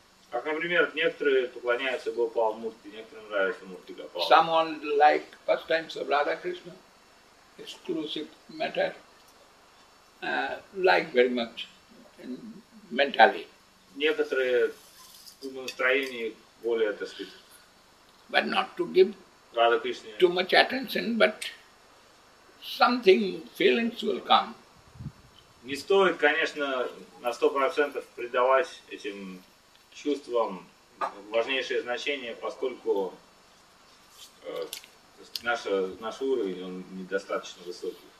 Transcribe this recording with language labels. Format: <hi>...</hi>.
<ru>Как, например, некоторые поклоняются Гопал Мурти, некоторым нравится Мурти Гопал.</ru> <en>Someone like first time Radha Krishna. Exclusive matter, like very much mentally.</en> <ru>Некоторые настроения более, так сказать.</ru> <en>But not to give too much attention, but something, feelings will come.</en> <ru>Не стоит, конечно, на 100% придавать этим чувствам важнейшее значение, поскольку Наш уровень, он недостаточно высокий.</ru>